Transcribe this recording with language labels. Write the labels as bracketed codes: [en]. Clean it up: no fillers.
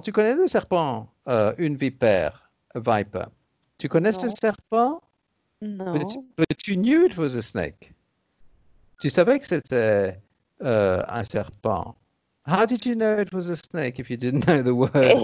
[fr] Tu connais le serpent, une vipère, a viper. Tu connais ce Non. serpent? Non. [en] But you knew it was a snake. [fr] Tu savais que c'était un serpent. [en] How did you know it was a snake if you didn't know the word?